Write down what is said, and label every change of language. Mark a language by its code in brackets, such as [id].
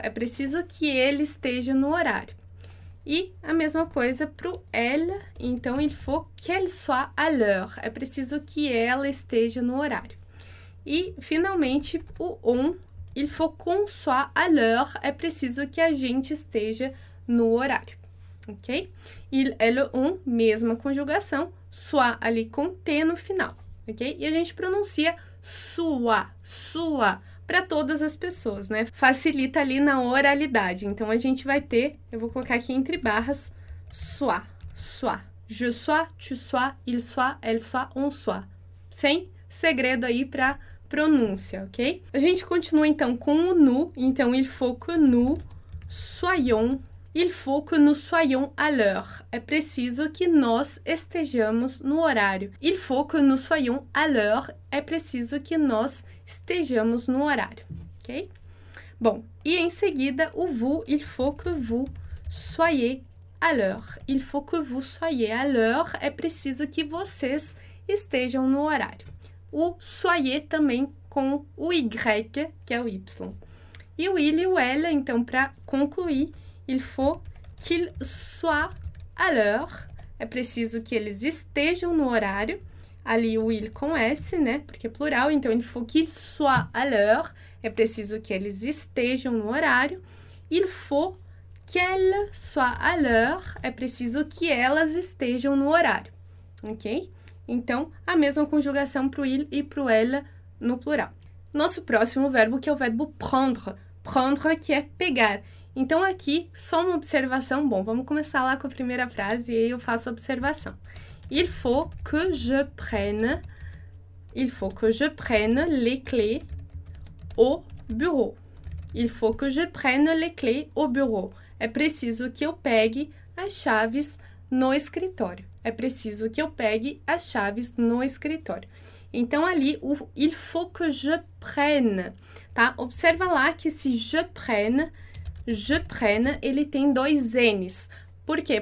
[pt] É preciso que ele esteja no horário. E a mesma coisa para o elle. Então, [fr] il faut qu'elle soit à l'heure. [pt] É preciso que ela esteja no horário. E, finalmente, o on, [fr] il faut qu'on soit à l'heure, [pt] é preciso que a gente esteja no horário, ok? [fr] Il est le on, [pt] mesma conjugação, soit ali com T no final, ok? E a gente pronuncia sua, para todas as pessoas, né? Facilita ali na oralidade. Então, a gente vai ter, eu vou colocar aqui entre barras, soit. [fr] Je sois, tu sois, il soit, elle soit, on soit. [pt] Sem segredo aí para pronúncia, ok? A gente continua então com o nous. Então, [fr] il faut que nous soyons. Il faut que nous soyons à l'heure. [pt] É preciso que nós estejamos no horário. [fr] Il faut que nous soyons à l'heure. [pt] É preciso que nós estejamos no horário, ok? Bom, e em seguida, o vous. [fr] Il faut que vous soyez l'heure. Il faut que vous soyez à l'heure. [pt] É preciso que vocês estejam no horário. O soyez também com o Y, que é o Y. E o il e o elle, então, para concluir, [fr] il faut qu'il soit à l'heure. [pt] É preciso que eles estejam no horário. Ali o il com S, né? Porque é plural. Então, [fr] il faut qu'il soit à l'heure. [pt] É preciso que eles estejam no horário. [fr] Il faut qu'elle soit à l'heure. [pt] É preciso que elas estejam no horário. Ok? Então, a mesma conjugação para o il e para o elle no plural. Nosso próximo verbo, que é o verbo prendre. Prendre, que é pegar. Então, aqui, só uma observação. Bom, vamos começar lá com a primeira frase e aí eu faço a observação. [fr] Il faut que je prenne, il faut que je prenne les clés au bureau. Il faut que je prenne les clés au bureau. [pt] É preciso que eu pegue as chaves no escritório. É preciso que eu pegue as chaves no escritório. Então, ali, o [fr] il faut que je prenne, [pt] tá? Observa lá que esse je prenne, ele tem dois N's. Por quê?